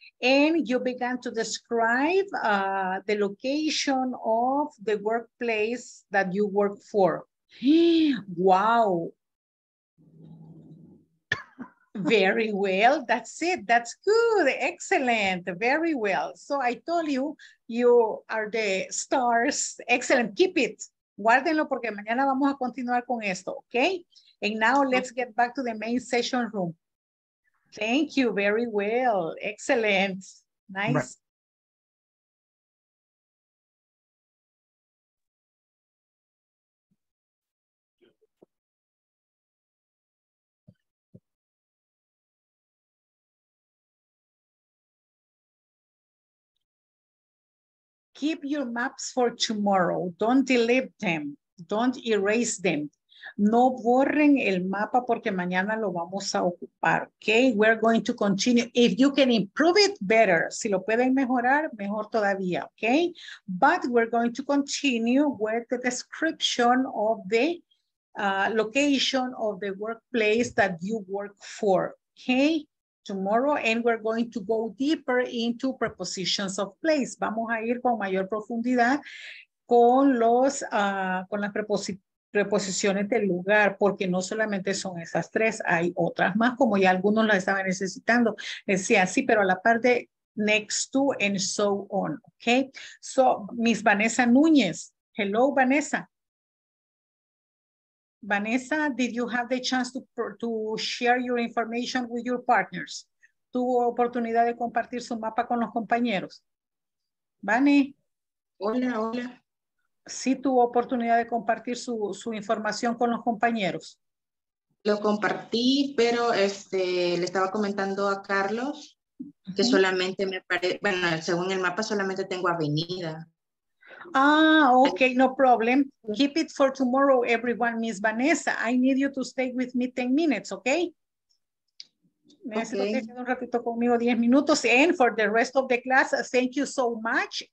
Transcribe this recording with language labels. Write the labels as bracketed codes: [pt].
[en] And you began to describe the location of the workplace that you work for. Wow. Very well. That's it. That's good. Excellent. Very well. So I told you, you are the stars. Excellent. Keep it. [es] Guárdenlo porque mañana vamos a continuar con esto. [en] Okay. And now let's get back to the main session room. Thank you. Very well. Excellent. Nice. Right. Keep your maps for tomorrow. Don't delete them. Don't erase them. [es] No borren el mapa porque mañana lo vamos a ocupar. [en] Okay, we're going to continue. If you can improve it, better. [es] Si lo pueden mejorar, mejor todavía. [en] Okay, but we're going to continue with the description of the location of the workplace that you work for. Okay. Tomorrow, and we're going to go deeper into prepositions of place. [es] Vamos a ir con mayor profundidad con los con las preposiciones del lugar, porque no solamente son esas tres, hay otras más, como ya algunos las estaban necesitando. Decía, sí, pero a la par de [en] next to and so on, [es] okay? [en] So, Miss Vanessa Núñez, hello, Vanessa. Vanessa, did you have the chance to share your information with your partners? [es] ¿Tuvo oportunidad de compartir su mapa con los compañeros? Vane. Hola, hola. ¿Sí tuvo oportunidad de compartir su información con los compañeros? Lo compartí, pero le estaba comentando a Carlos que solamente me parece, bueno, según el mapa solamente tengo avenida. [en] Ah, okay, no problem. Keep it for tomorrow, everyone. Miss Vanessa, I need you to stay with me 10 minutes, okay? Okay. And for the rest of the class, thank you so much.